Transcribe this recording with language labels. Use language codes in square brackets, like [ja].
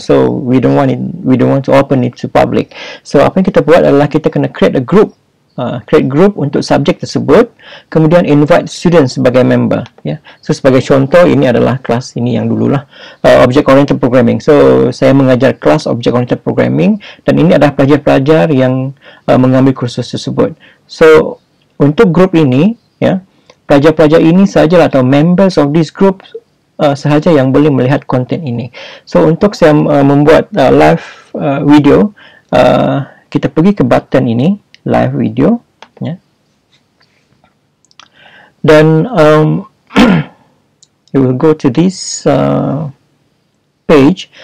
[en] So we don't want it, we don't want to open it to public. [ms] So apa yang kita buat adalah kita kena [en] create a group. [ms] Create group untuk subjek tersebut, kemudian invite students sebagai member, ya. So sebagai contoh, ini adalah kelas ini yang dululah, object oriented programming. So saya mengajar kelas object oriented programming dan ini adalah pelajar-pelajar yang mengambil kursus tersebut. So untuk grup ini, ya, pelajar-pelajar ini sajalah atau [en] members of this group [ms] sahaja yang boleh melihat konten ini. So untuk saya membuat live video, kita pergi ke button ini live video, ya. Dan [en] you will go to this page.